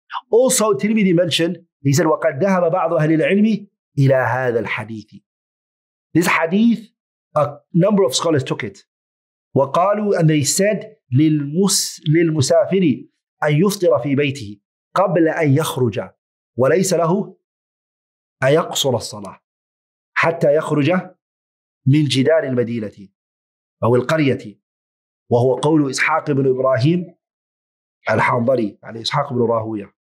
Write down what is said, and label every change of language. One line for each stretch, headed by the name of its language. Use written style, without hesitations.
English: Also, Tirmidhi mentioned, he said,
Arabic: وقد ذهب بعض أهل العلم إلى هذا الحديث.
English: This hadith, a number of scholars took it.
Arabic: وقالوا,
English: and they said,
Arabic: للمسافر أن يفطر في بيته. قبل أن يخرج وليس له أن يقصر الصلاة حتى يخرج من جدار المدينة أو القرية وهو قول إسحاق بن إبراهيم الحنظري على إسحاق بن راهوية.